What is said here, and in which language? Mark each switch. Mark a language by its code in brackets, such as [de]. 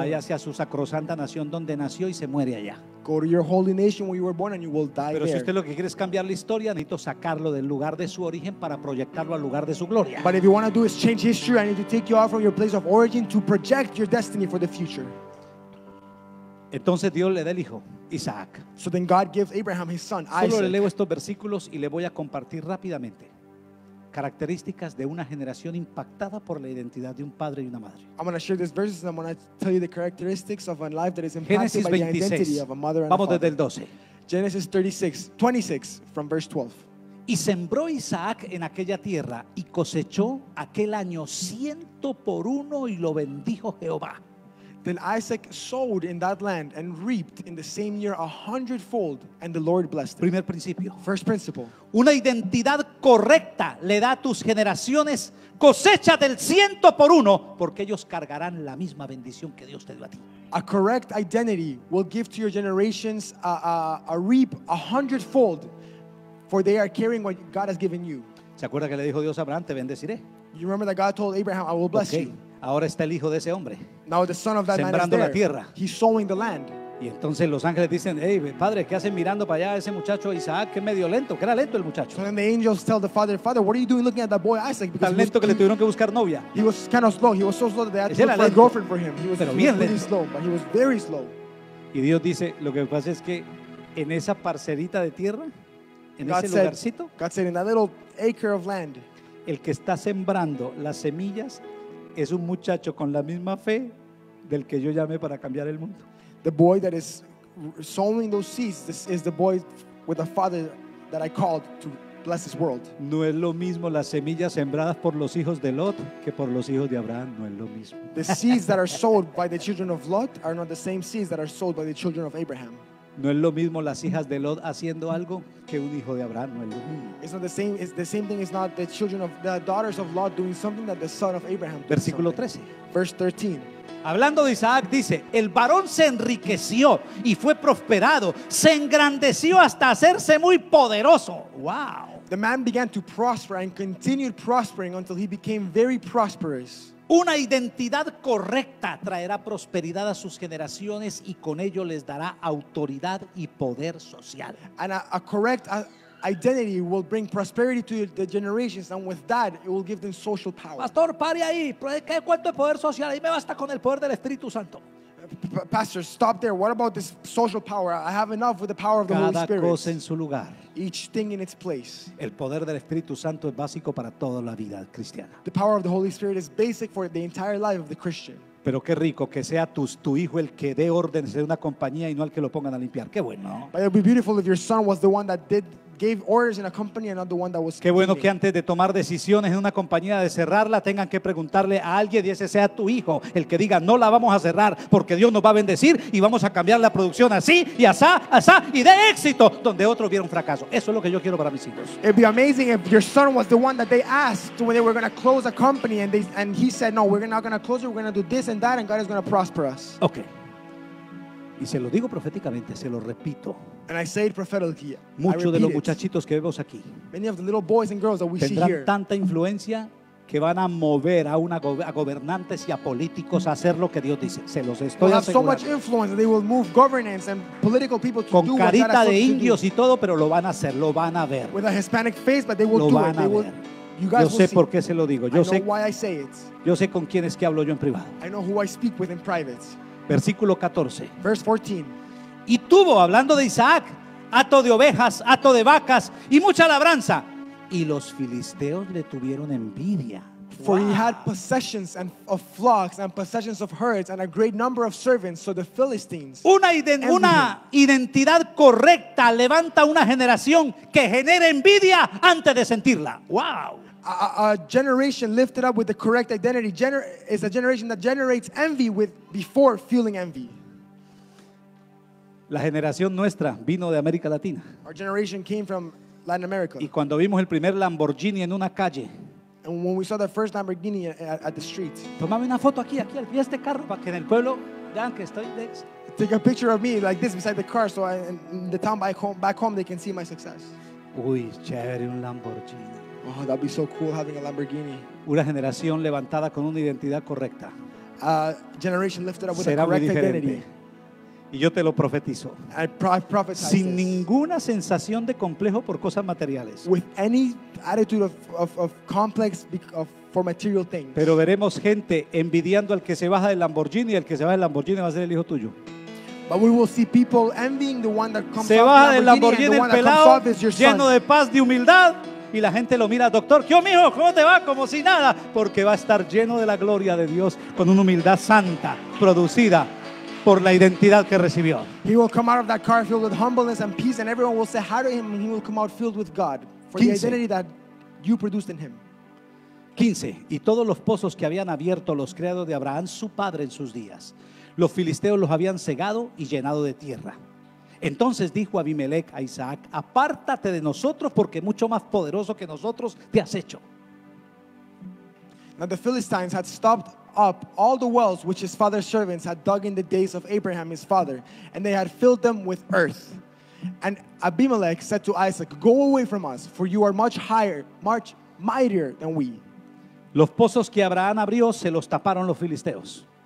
[es] Vaya hacia su sacrosanta nación donde nació y se muere allá. [en] Go to your holy nation where you were born and you will die there. [es] Pero si usted lo que quiere es cambiar la historia, necesito sacarlo del lugar de su origen para proyectarlo al lugar de su gloria. [en] But if you want to do is change history, I need to take you out from your place of origin to project your destiny for the future. [es] Entonces Dios le da el hijo, Isaac. [en] So then God gives Abraham his son, Isaac. [es] Solo le leo estos versículos y le voy a compartir rápidamente características de una generación impactada por la identidad de un padre y una madre. [en] I'm going to share these verses and I'm going to tell you the characteristics of a life that is impacted by the identity of a mother and [es] Vamos [en] a father. [es] Desde el 12. [en] Genesis 36:26 from verse 12. [es] Y sembró Isaac en aquella tierra y cosechó aquel año 100 por 1 y lo bendijo Jehová. [en] Then Isaac sowed in that land and reaped in the same year 100-fold, and the Lord blessed him. [es] Primer principio. [en] First principle. [es] Una identidad correcta le da a tus generaciones cosecha del 100 por 1, porque ellos cargarán la misma bendición que Dios te dio a ti. [en] A correct identity will give to your generations a reap a hundredfold, for they are carrying what God has given you. [es] ¿Se acuerda que le dijo Dios a Abraham, te bendeciré? [en] You remember that God told Abraham, I will bless okay. you. [es] Ahora está el hijo de ese hombre. [en] Now the son of that [es] sembrando [en] man is there. [es] La tierra. [en] He's sowing the land. [es] Y entonces los ángeles dicen, hey, padre, ¿qué hacen mirando para allá a ese muchacho Isaac? Que medio lento, que era lento el muchacho. [en] And the angels tell the father, father, what are you doing looking at that boy Isaac? Because [es] tan lento que le tuvieron que buscar novia. [en] He was kind of slow. He was so slow that they had to look for a girlfriend for him. He was, [es] pero bien lento. [en] Slow, but he was very slow. [es] Y Dios dice, lo que pasa es que en esa parcelita de tierra, en [en] God [es] ese lugarcito, [en] said, God said, in that little acre of land, [es] el que está sembrando las semillas es un muchacho con la misma fe del que yo llamé para cambiar el mundo. [en] The boy that is sowing those seeds, this is the boy with a father that I called to bless this world. [es] No es lo mismo las semillas sembradas por los hijos de Lot que por los hijos de Abraham. No es lo mismo. [en] The seeds that are sowed by the children of Lot are not the same seeds that are sowed by the children of Abraham. [es] No es lo mismo las hijas de Lot haciendo algo que un hijo de Abraham. No es lo mismo. [en] It's not the same. It's the same thing. It's not the children of the daughters of Lot doing something that the son of Abraham. [es] Versículo 13. [en] Verse 13. [es] Hablando de Isaac, dice, el varón se enriqueció y fue prosperado, se engrandeció hasta hacerse muy poderoso. [en] Wow. The man began to prosper and continued prospering until he became very prosperous. [es] Una identidad correcta traerá prosperidad a sus generaciones y con ello les dará autoridad y poder social. [en] And a correct identity will bring prosperity to the generations, and with that it will give them social power. [es] Pastor, pare ahí. ¿Qué cuento de poder social? Ahí me basta con el poder del Espíritu Santo. [en] Pastor, stop there. What about this social power? I have enough with the power of the [es] Cada [en] Holy Spirit. [es] Cada cosa en su lugar. [en] Each thing in its place. [es] El poder del Espíritu Santo es básico para toda la vida cristiana. [en] The power of the Holy Spirit is basic for the entire life of the Christian. [es] Pero qué rico que sea tu hijo el que dé órdenes de una compañía y no al que lo pongan a limpiar. Qué bueno. [en] But it would be beautiful if your son was the one that did gave orders in a company and not the one that was. [es] Qué bueno que antes de tomar decisiones en una compañía de cerrarla tengan que preguntarle a alguien y ese sea tu hijo el que diga no la vamos a cerrar porque Dios nos va a bendecir y vamos a cambiar la producción así y asá, asá y de éxito donde otros vieron fracaso. Eso es lo que yo quiero para mis hijos. [en] It'd be amazing if your son was the one that they asked when they were going to close a company and he said no, we're not going to close it, we're going to do this and that and God is going to prosper us. [es] Okay. Y se lo digo proféticamente, se lo repito. [en] And I say it prophetically. [es] Muchos de los muchachitos que vemos aquí tendrán tanta influencia que van a mover a una a gobernantes y a políticos a hacer lo que Dios dice. Se los estoy asegurando. Con carita de indios y todo, pero lo van a hacer, lo van a ver. [en] With a Hispanic face, but they will [es] lo [en] do it. [es] Van a [en] they [es] ver. [en] You guys [es] yo sé por qué se lo digo. Yo sé. Yo sé con quién es que hablo yo en privado. [en] I know who I speak with in private. [es] Versículo 14. [en] Verse 14. [es] Y tuvo, hablando de Isaac, hato de ovejas, hato de vacas y mucha labranza. Y los filisteos le tuvieron envidia. [en] For he had possessions and of flocks and possessions of herds and a great number of servants, so the Philistines. [es] Una identidad correcta levanta una generación que genera envidia antes de sentirla. [en] Wow. A generation lifted up with the correct identity is a generation that generates envy before feeling envy. [es] La generación nuestra vino de América Latina. [en] Our generation came from Latin America. [es] Y cuando vimos el primer Lamborghini en una calle. [en] And when we saw the first Lamborghini at the street. [es] Tómame una foto aquí al pie de este carro para que en el pueblo vean que estoy de éxito. [en] Take a picture of me like this beside the car so in the town back home they can see my success. [es] Uy, chévere un Lamborghini. [en] Oh, that'd be so cool having a Lamborghini. [es] Una generación levantada con una identidad correcta. [en] A generation lifted up with a correct identity. [es] Y yo te lo profetizo. [en] I prophesy [es] sin ninguna sensación de complejo por cosas materiales. [en] With any attitude of complex for material things. [es] Pero veremos gente envidiando al que se baja del Lamborghini y el que se baja del Lamborghini va a ser el hijo tuyo. [en] But we will see people envying the one that comes [es] se baja del Lamborghini, el pelado lleno de paz, de humildad. Y la gente lo mira, doctor, ¿qué, mijo? ¿Cómo te va? Como si nada. Porque va a estar lleno de la gloria de Dios con una humildad santa, producida por la identidad que recibió. [en] He will come out of that car filled with humbleness and peace and everyone will say hi to him and he will come out filled with God for 15. The identity that you produced in him. 15. [es] Y todos los pozos que habían abierto los criados de Abraham, su padre en sus días, los filisteos los habían cegado y llenado de tierra. Entonces dijo Abimelec a Isaac, apártate de nosotros porque mucho más poderoso que nosotros te has hecho. [en] Now the Philistines had stopped up all the wells which his father's servants had dug in the days of Abraham his father, and they had filled them with earth. And Abimelech said to Isaac, go away from us, for you are much higher, much mightier than we. [es] Los pozos que Abraham abrió se los taparon los filisteos.